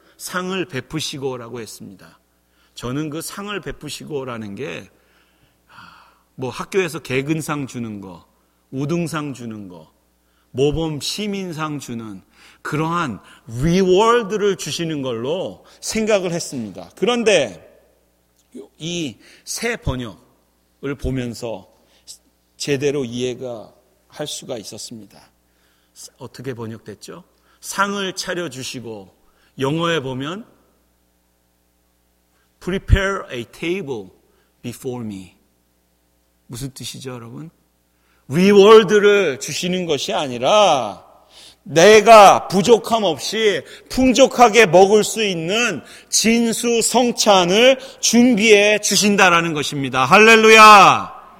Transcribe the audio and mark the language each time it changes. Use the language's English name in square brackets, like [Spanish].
[Korean] 상을 베푸시고라고 했습니다. 저는 그 상을 베푸시고라는 게 뭐 학교에서 개근상 주는 거, 우등상 주는 거, 모범 시민상 주는 그러한 리워드를 주시는 걸로 생각을 했습니다. 그런데 이 새 번역을 보면서 제대로 이해가 할 수가 있었습니다. 어떻게 번역됐죠? 상을 차려주시고, 영어에 보면 [English] prepare a table before me. [Korean] 무슨 뜻이죠, 여러분? 리워드를 주시는 것이 아니라 내가 부족함 없이 풍족하게 먹을 수 있는 진수 성찬을 준비해 주신다라는 것입니다. 할렐루야!